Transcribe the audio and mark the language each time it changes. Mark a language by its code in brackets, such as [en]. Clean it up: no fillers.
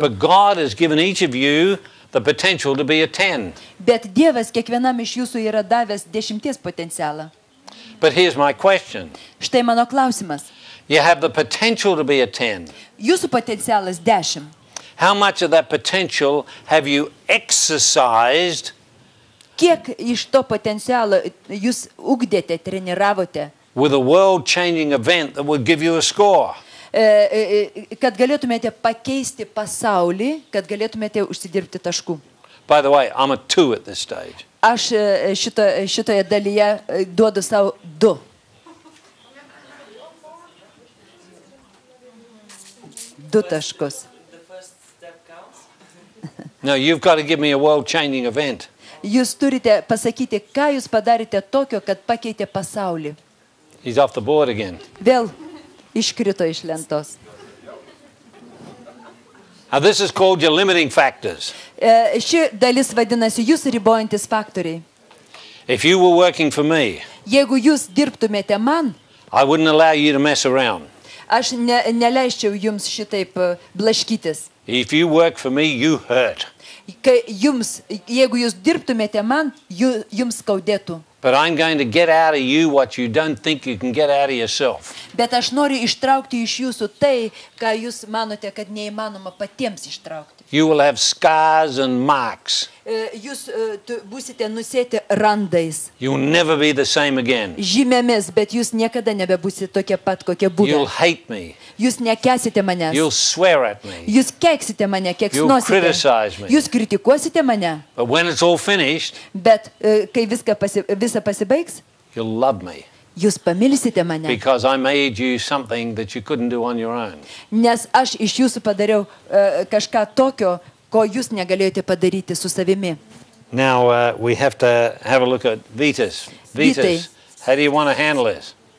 [en] But God has given each of you the potential to be a 10. [lt] Bet Dievas kiekvienam iš jūsų yra davęs 10 potencialą. [en] But here's my question. [lt] Štai mano klausimas. [en] You have the potential to be a 10. [lt] Jūsų potencialas 10. [en] How much of that potential have you exercised? [lt] Kiek iš to potencialo jūs ugdėte, treniravote? [en] With a world-changing event that would give you a score. [lt] Kad galėtumėte pakeisti pasaulį, kad galėtumėte užsidirbti taškų. [en] By the way, I'm a 2 at this stage. [lt] Aš šitoje dalyje duodu savo 2. Du taškus. [en] No, you've got to give me a world-changing event. [lt] Jūs turite pasakyti, ką jūs padarėte tokio, kad pakeitė pasaulį. [en] He's off the board again. [lt] Vėl iškrito iš lentos. [en] Now this is called your limiting factors. [lt] Ši dalis vadinasi jūs ribojantis faktoriai. [en] If you were working for me, [lt] jeigu jūs dirbtumėte man, [en] I wouldn't allow you to mess around. [lt] Aš neleisčiau jums šitaip blaškytis. [en] If you work for me, you hurt. [lt] Jeigu jūs dirbtumėte man, jums skaudėtų. [en] But I'm going to get out of you what you don't think you can get out of yourself. [lt] Bet aš noriu ištraukti iš jūsų tai, ką jūs manote, kad neįmanoma patiems ištraukti. [en] You will have scars and marks. [lt] Jūs būsite nusėti randais. [en] You'll never be the same again. [lt] Žymėmis, bet jūs niekada nebebūsite tokie pat, kokie buvę. [en] You'll hate me. [lt] Jūs nekęsite manęs. [en] You'll swear at me. [lt] Jūs keiksite mane, keksnosite. [en] You'll criticize me. [lt] Jūs kritikuosite mane. [en] But when it's all finished, [lt] bet kai visa pasibaigs, [en] you'll love me. [lt] Jūs pamilsite mane. [en] Because I made you something that you couldn't do on your own. [lt] Nes aš iš jūsų padariau kažką tokio, ko jūs negalėjote padaryti su savimi. [en] Now we have to have a look at Vitas. Vitas, how do you want to handle this?